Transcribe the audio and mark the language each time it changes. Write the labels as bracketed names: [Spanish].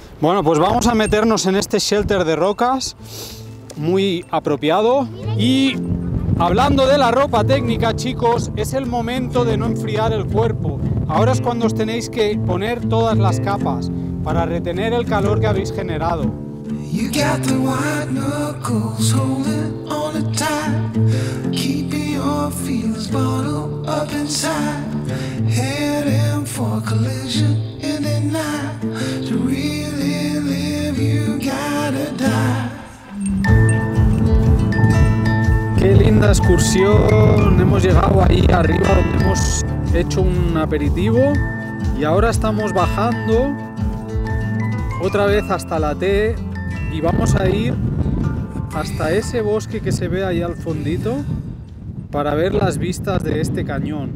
[Spanish] Bueno, pues vamos a meternos en este shelter de rocas, muy apropiado. Y hablando de la ropa técnica, chicos, es el momento de no enfriar el cuerpo. Ahora es cuando os tenéis que poner todas las capas para retener el calor que habéis generado. [English] You got the white knuckles holding on a tie, keeping your feelings bottled up inside, heading for a collision in the night, to really live you gotta die. [Spanish] Qué linda excursión, hemos llegado ahí arriba donde hemos hecho un aperitivo y ahora estamos bajando otra vez hasta la T y vamos a ir hasta ese bosque que se ve ahí al fondito para ver las vistas de este cañón.